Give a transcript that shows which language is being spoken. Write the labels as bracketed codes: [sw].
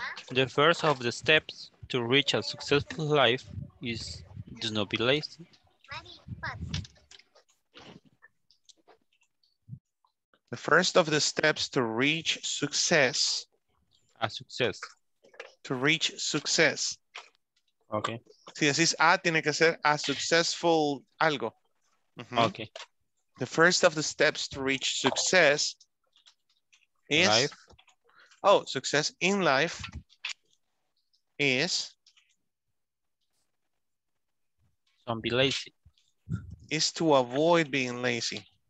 [en] The first of the steps to reach a successful life is do not be lazy. The first of the steps to reach success. A success. To reach success. Okay. [es] Si decís A, tiene que ser [en] a successful [es] algo. [en] Mm-hmm. Okay. The first of the steps to reach success is. Life. Oh, success in life is. Don't be lazy. Is to avoid being lazy.